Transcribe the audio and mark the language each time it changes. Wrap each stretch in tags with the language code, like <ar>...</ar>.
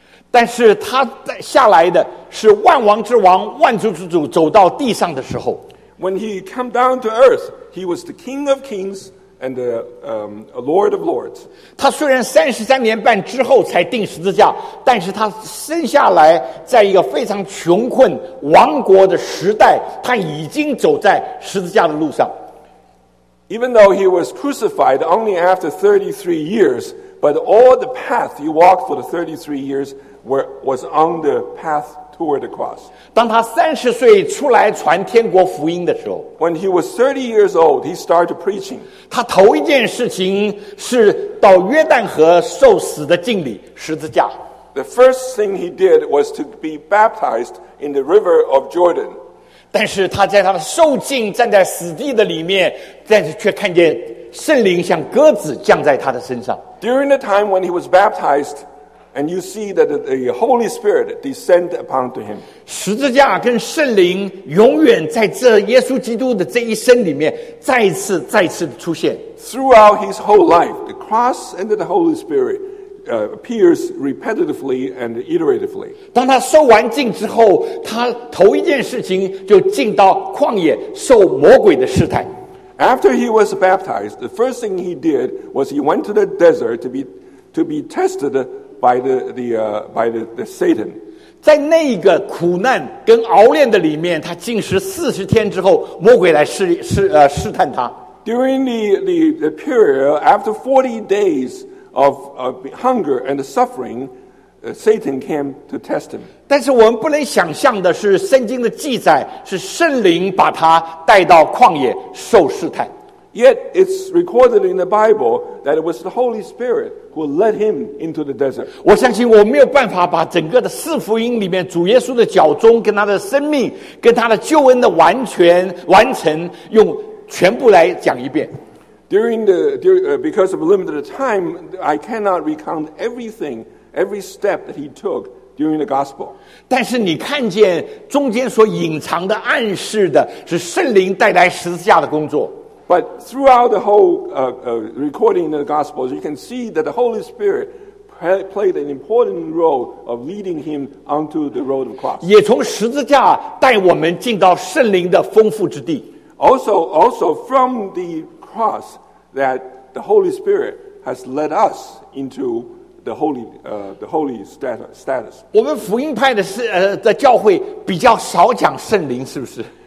<zh>但是他下来的是万王之王万主之主走到地上的时候。</zh> <en>When he came down to earth, he was the King of Kings and the Lord of Lords.</en> <zh>他虽然33年半之后才钉十字架，但是他生下来在一个非常穷困亡国的时代，他已经走在十字架的路上。</zh> <en>Even though he was crucified only after 33 years, but all the path he walked for the 33 years was on the path toward the cross.</en> <zh>当他30岁出来传天国福音的时候，</zh> <en>When he was 30 years old, he started preaching.</en> <zh>他头一件事情是到约旦河受死的浸礼，十字架。</zh> <en>The first thing he did was to be baptized in the river of Jordan.</en> <zh>但是他在他的受浸站在死地的里面，但是却看见圣灵像鸽子降在他的身上。</zh> <en>During the time when he was baptized, and you see that the Holy Spirit descend upon to him.</en> <zh>十字架跟圣灵永远在这耶稣基督的这一生里面再次出现。</zh> <en>Throughout his whole life, the cross and the Holy Spirit appears repetitively and iteratively.</en> <zh>当他受完浸之后，他头一件事情就进到旷野受魔鬼的试探。</zh> <en>After he was baptized, the first thing he did was he went to the desert to be tested by the Satan.</en> <zh>在那个苦难跟熬炼的里面，他禁食40天之后，魔鬼来试探他。</zh> <en>During the period after 40 days. Of hunger and suffering, Satan came to test him.</en> <zh>但是我们不能想象的是，圣经的记载是圣灵把他带到旷野受试探。</zh> <en>Yet it's recorded in the Bible that it was the Holy Spirit who led him into the desert.</en> <zh>我相信我没有办法把整个的四福音里面主耶稣的脚踪跟他的生命跟他的救恩的完成用全部来讲一遍。</zh> <en>Because of a limited time, I cannot recount everything, every step that he took during the gospel.</en> <zh>但是你看见中间所隐藏的暗示的是圣灵带来十字架的工作。</zh> <en>But throughout the whole recording of the gospels, you can see that the Holy Spirit played an important role of leading him onto the road of cross.</en> <zh>也从十字架带我们进到圣灵的丰富之地。</zh> <en>Also from the cross that the Holy Spirit has led us into the holy status.</en> <zh>我们福音派的教会比较少讲圣灵，是不是？</zh>